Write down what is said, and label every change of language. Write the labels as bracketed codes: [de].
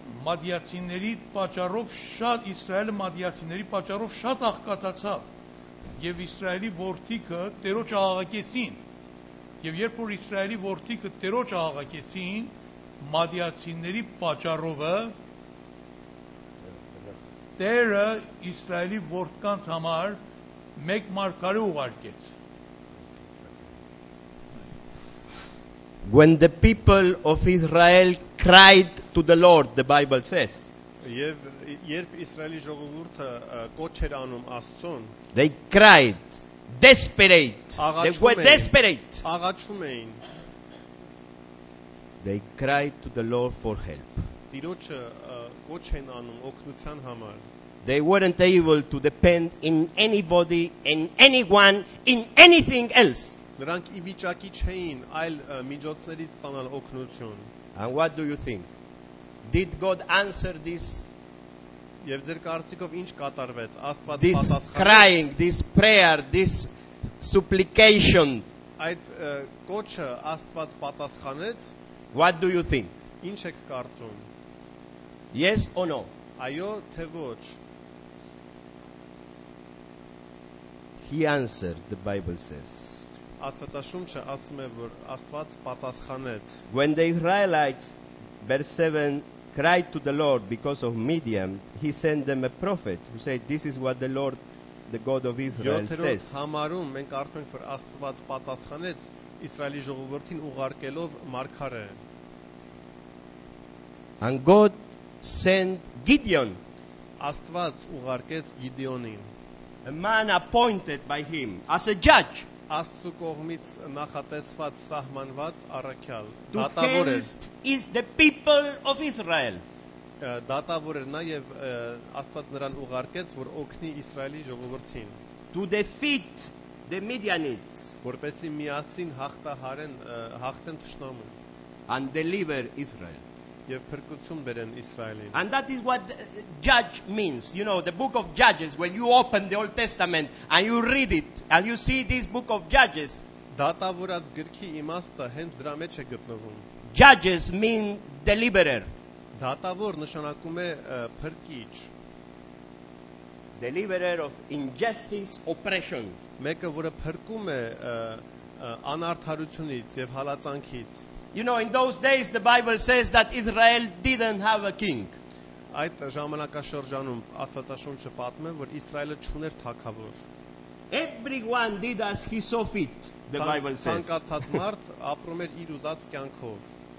[hy] մադիացիների պատճառով շատ իսրայելի մադիացիների պատճառով շատ աղքատացավ, և իսրայելի որդիքը Տերոջ աղաղակեցին, և երբ որ իսրայելի որդիքը Տերոջ աղաղակեցին, մադիացիների պատճառովը Տերը իսրայելի որդկանց համար մեկ մարգարե ուղարկեց։ [en] When the people of Israel cried to the Lord, the Bible says, [hy] Եվ երբ իսրայելի ժողովուրդը կոչեր անում Աստծուն, [en] they cried desperate, they were desperate, [hy] աղաչում էին, [en] they cried to the Lord for help, [hy] Տիրոջը կոչ են անում օգնության համար, [en] they weren't able to depend in anybody, in anyone, in anything else, [hy] նրանք ի վիճակի չէին այլ միջոցներից ստանալ օգնություն, [en] and what do you think? Did God answer this? [hy] Եվ ձեր կարծիքով ինչ կատարվեց? Աստված պատասխանեց. [en] This crying, this prayer, this supplication. [hy] Այդ կոչը Աստված պատասխանեց. [en] What do you think? [hy] Ինչ եք կարծում? [en] Yes or no? [hy] Այո թե ոչ? [en] He answered, the Bible says. [hy] Աստվածաշունչը ասում է, որ Աստված պատասխանեց. [en] When the Israelites, verse 7, cried to the Lord because of Midian, he sent them a prophet who said, this is what the Lord, the God of Israel, says. [hy] Համարում, մենք կարծում ենք, որ Աստված պատասխանեց Իսրայելի ժողովրդին ուղարկելով մարգարե. [en] And God sent Gideon. [hy] Աստված ուղարկեց Գիդեոնին. [en] A man appointed by him as a judge. [hy] Աստու կողմից նախատեսված սահմանված առաքյալ դատավոր էր. [en] Is the people of Israel. [hy] Դատավոր էր նաև Աստված նրան ուղարկեց, որ օգնի Իսրայելի ժողովրդին. [en] To defeat the Midianites. [hy] Որպեսզի միասին հաղթահարեն հաղթեն թշնամուն. [en] And deliver Israel. [hy] Եվ փրկություն բերեն Իսրայելին. [en] And that is what judge means. You know, the book of Judges, when you open the Old Testament and you read it and you see this book of Judges. [hy] Դատավորած գրքի իմաստը հենց դրա մեջ է գտնվում. [en] Judges mean deliverer. [hy] Դատավոր նշանակում է փրկիչ. [en] Deliverer of injustice, oppression. [hy] Մեկը, որը փրկում է անարդարությունից եւ հալածանքից. [en] You know, in those days, the Bible says that Israel didn't have a king. [hy] Այդ ժամանակաշրջանում Աստվածաշունչը պատմում է, որ Իսրայելը չուներ թագավոր. [en] Everyone did as he saw fit, the Bible says. [hy] Ցանկացած մարդ ապրում էր իր ուզած կյանքով.